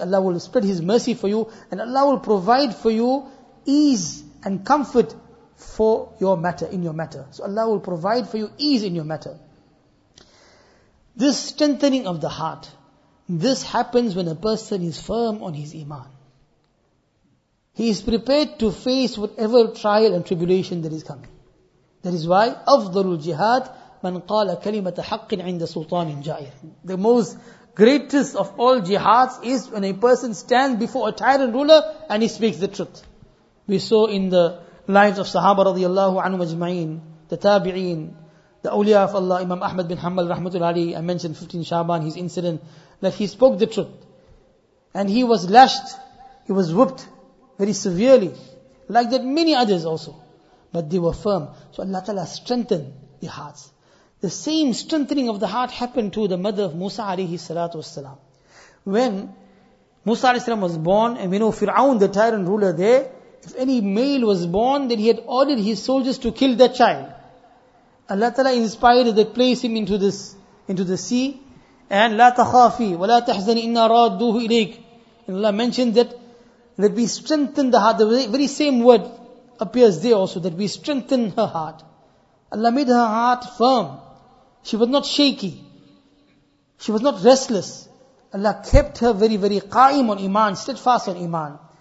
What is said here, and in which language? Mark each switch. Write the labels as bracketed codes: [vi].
[en] Allah will spread his mercy for you and Allah will provide for you ease and comfort for your matter, in your matter. So Allah will provide for you ease in your matter. This strengthening of the heart, this happens when a person is firm on his iman. He is prepared to face whatever trial and tribulation that is coming. That is why [ar] أَفْضَلُ الْجِهَادِ مَنْ قَالَ كَلِمَةَ حَقٍ عِنْدَ سُلْطَانٍ جَائِرٍ. [en] The most greatest of all jihads is when a person stands before a tyrant ruler and he speaks the truth. We saw in the lives of Sahaba radiallahu anhu ajma'in, the tabi'een, the awliya of Allah, Imam Ahmad bin Hanbal rahmatullahi, I mentioned 15 Shaban, his incident, that he spoke the truth. And he was lashed, he was whipped very severely. Like that many others also. But they were firm. So Allah Ta'ala strengthened the hearts. The same strengthening of the heart happened to the mother of Musa alayhi salatu wasalam. When Musa alayhi salam was born, and we know Fir'aun, the tyrant ruler there, if any male was born, then he had ordered his soldiers to kill that child. Allah Ta'ala inspired that, place him into the sea. [ar] And لا تخافي ولا تحزني إن رادوه إليك. [en] And Allah mentioned that we strengthen the heart. The very same word appears there also, that we strengthen her heart. Allah made her heart firm. She was not shaky. She was not restless. Allah kept her very, very qa'im on iman, steadfast on iman.